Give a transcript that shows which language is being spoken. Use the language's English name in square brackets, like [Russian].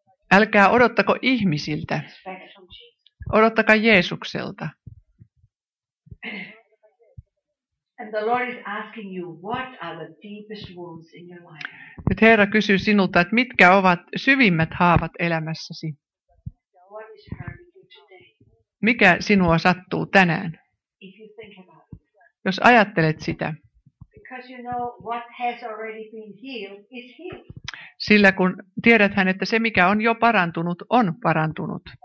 [Finnish] Älkää odottako ihmisiltä. Odottakaa Jeesukselta. [English] And the Lord is asking you, what are the deepest wounds in your life? [Finnish] Nyt Herra kysyy sinulta, että mitkä ovat syvimmät haavat elämässäsi? [English] What is hurting you today? [Finnish] Mikä sinua sattuu tänään? [English] If you think about it. [Finnish] Jos ajattelet sitä. [English] Because you know what has already been healed is healed. [Finnish] Sillä kun tiedät hän, että se mikä on jo parantunut, on parantunut.